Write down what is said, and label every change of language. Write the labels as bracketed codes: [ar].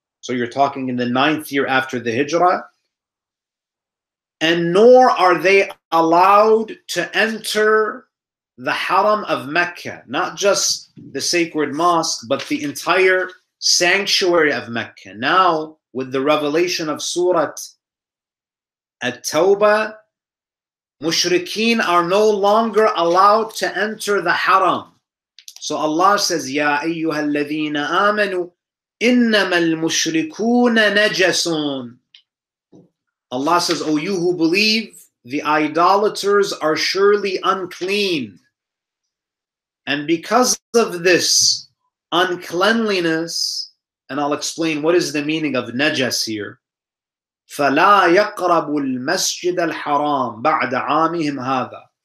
[en] So you're talking in the 9th year after the Hijrah. And nor are they allowed to enter the Haram of Mecca, not just the sacred mosque, but the entire sanctuary of Mecca. Now, with the revelation of Surah At-Tawbah, mushrikeen are no longer allowed to enter the Haram. So Allah says, [ar] يَا أَيُّهَا الَّذِينَ آمَنُوا إِنَّمَا الْمُشْرِكُونَ نَجَسُونَ. [en] Allah says, O you who believe, the idolaters are surely unclean. And because of this uncleanliness, and I'll explain what is the meaning of najas here, [ar] فَلَا يَقْرَبُ الْمَسْجِدَ الْحَرَامِ بَعْدَ عَامِهِمْ هَذَا.